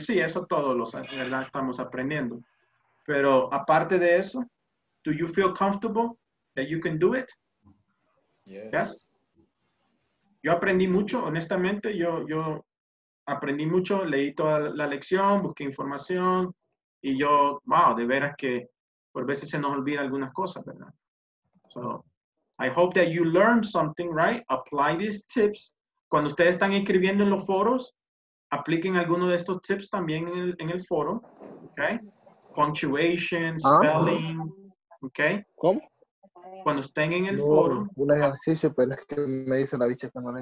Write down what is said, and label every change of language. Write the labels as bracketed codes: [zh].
[es] Sí, eso todos los ¿verdad? Estamos aprendiendo. Pero aparte de eso, [en] ¿do you feel comfortable that you can do it? Yes. Yes. [es] Yo aprendí mucho, honestamente, yo aprendí mucho, leí toda la lección, busqué información y yo, wow, de veras que por veces se nos olvida algunas cosas, ¿verdad? [en] So, I hope that you learned something, right? Apply these tips. [es] Cuando ustedes están escribiendo en los foros, apliquen alguno de estos tips también en el foro, ¿okay? [en] punctuation, spelling, okay? [es] ¿Cómo? Cuando estén en el foro. Un ejercicio, pero es que me dice la bicha que no le